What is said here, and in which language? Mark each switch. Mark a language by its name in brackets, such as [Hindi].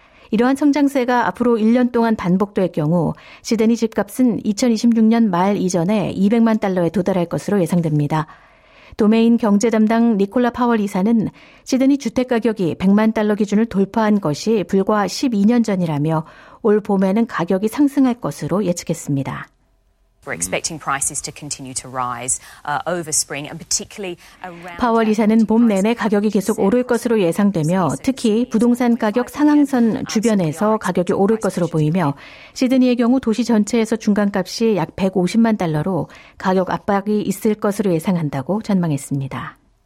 [Korean] 이러한 성장세가 앞으로 1년 동안 반복될 경우 시드니 집값은 2026년 말 이전에 200만 달러에 도달할 것으로 예상됩니다. 도메인 경제 담당 니콜라 파월 이사는 시드니 주택가격이 100만 달러 기준을 돌파한 것이 불과 12년 전이라며 올 봄에는 가격이 상승할 것으로 예측했습니다. [English] We're expecting prices to continue to rise over spring, and particularly around. [Korean] 파월 이사는 봄 내내 가격이 계속 오를 것으로 예상되며 특히 부동산 가격 상한선 주변에서 가격이 오를 것으로 보이며 시드니의 경우 도시 전체에서 중간값이 약 150만 달러로 가격 압박이 있을 것으로 예상한다고 전망했습니다.